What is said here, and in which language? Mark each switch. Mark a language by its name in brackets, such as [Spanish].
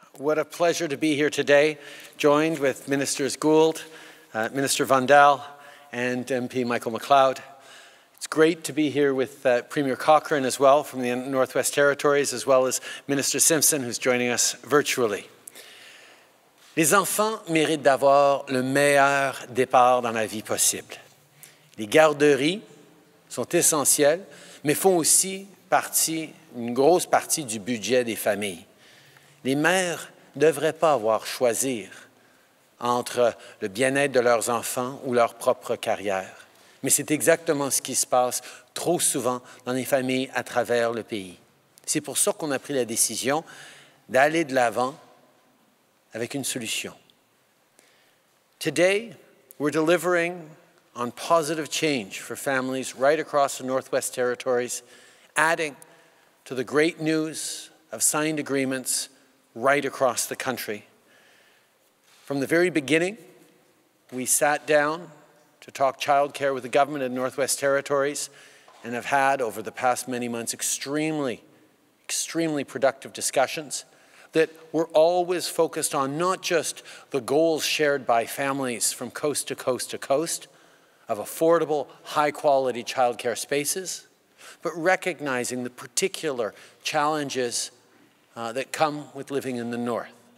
[English] What a pleasure to be here today, joined with Ministers Gould, Minister Van Dahl, and MP Michael McLeod. It's great to be here with Premier Cochrane as well from the Northwest Territories, as well as Minister Simpson, who's joining us virtually. [French] Les enfants méritent d'avoir le meilleur départ dans la vie possible. Les garderies sont essentielles, mais font aussi partie, une grosse partie du budget des familles. Les mères ne devraient pas avoir à choisir entre le bien-être de leurs enfants ou leur propre carrière. Mais c'est exactement ce qui se passe trop souvent dans les familles à travers le pays. C'est pour ça qu'on a pris la décision d'aller de l'avant avec une solution. [English] Today, we're delivering on positive change for families right across the Northwest Territories, adding to the great news of signed agreements right across the country. From the very beginning, we sat down to talk childcare with the government of the Northwest Territories and have had, over the past many months, extremely, extremely productive discussions that were always focused on not just the goals shared by families from coast to coast to coast of affordable, high-quality childcare spaces, but recognizing the particular challenges that come with living in the north.